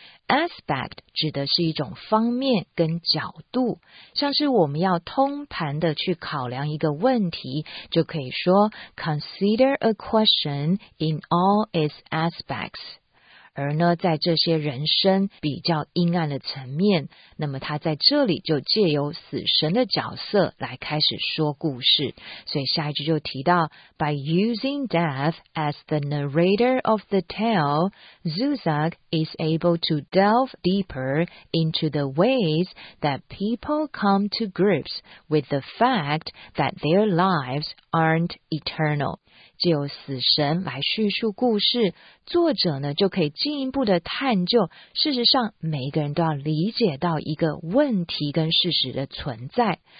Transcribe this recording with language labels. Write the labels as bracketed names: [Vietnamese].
[Chinese] Aspect 指的是一种方面跟角度，像是我们要通盘的去考量一个问题，就可以说 [English] consider a question in all its aspects。 [Chinese] 而呢，在这些人生比较阴暗的层面，那么他在这里就借由死神的角色来开始说故事。所以下一句就提到 [English] By using death as the narrator of the tale, Zuzak is able to delve deeper into the ways that people come to grips with the fact that their lives aren't eternal. [Chinese] 借由死神来叙述故事，作者呢就可以进一步的探究，事实上每一个人都要理解到一个问题跟事实的存在。